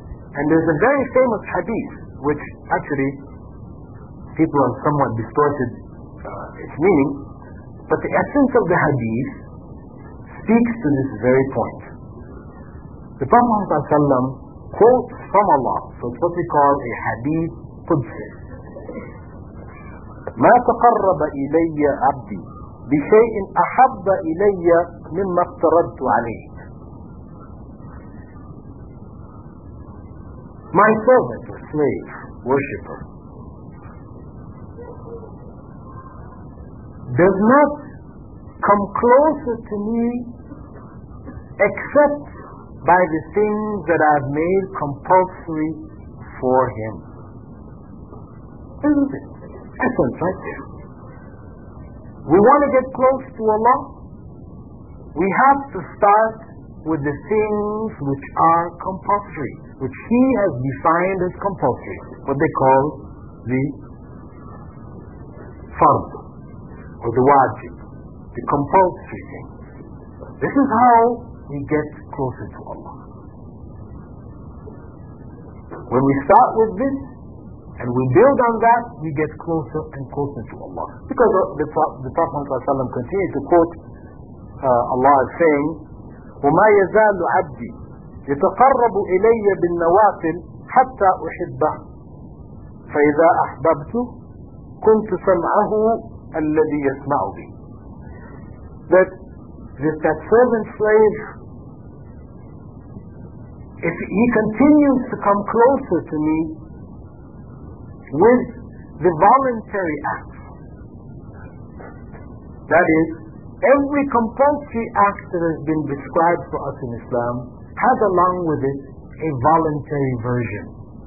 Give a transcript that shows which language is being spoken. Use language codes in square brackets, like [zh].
[en] And there's a very famous hadith, which actually people have somewhat distorted its meaning, but the essence of the hadith speaks to this very point. The Prophet ﷺ quotes from Allah, so it's what we call a hadith qudsi. [ar] ما تقرب إلي عبدي بشيء أحب إلي مما افترضت عليه. [en] My servant, a slave, worshipper, does not come closer to me except by the things that I've made compulsory for him. Isn't it? Essence right there. We want to get close to Allah, we have to start with the things which are compulsory, which He has defined as compulsory, what they call the fard, or the wajib, the compulsory things. This is how we get closer to Allah. When we start with this, and we build on that, we get closer and closer to Allah. Because the Prophet ﷺ continued to quote Allah is saying, [ar] وَمَا يَزَالُ عَبْدِي يَتَقَرَّبُ إِلَيَّ بِالنَّوَافِلِ حَتَّى أُحِبَّهُ فَإِذَا أَحْبَبْتُ كُنْتُ سَمْعَهُ الَّذِي يَسْمَعُ بِي. [en] That servant slave, if he continues to come closer to me with the voluntary acts, that is, every compulsory act that has been described for us in Islam has along with it a voluntary version.